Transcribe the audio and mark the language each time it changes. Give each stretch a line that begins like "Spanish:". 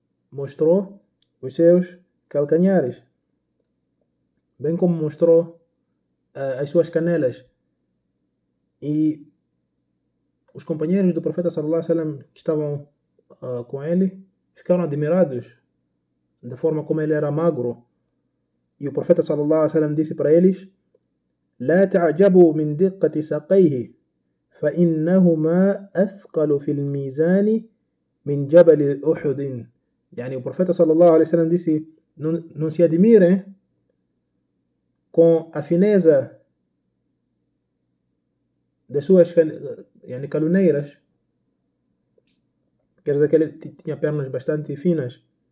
Portuguese: Mostrou os seus calcanhares. Bem como mostrou as suas canelas. E os companheiros do profeta sallallahu alaihi wasallam que estavam com ele ficaram admirados da forma como ele era magro. E o profeta sallallahu alaihi wasallam disse para eles:
Arabic: لا تعجبوا من دقة ساقيه فإنهما أثقل في الميزان من جبل أحد.
Portuguese: Yani, o profeta sallallahu alaihi wasallam disse: não se admirem com a fineza das suas yani, caluneiras. Quer dizer que ele tinha pernas bastante finas.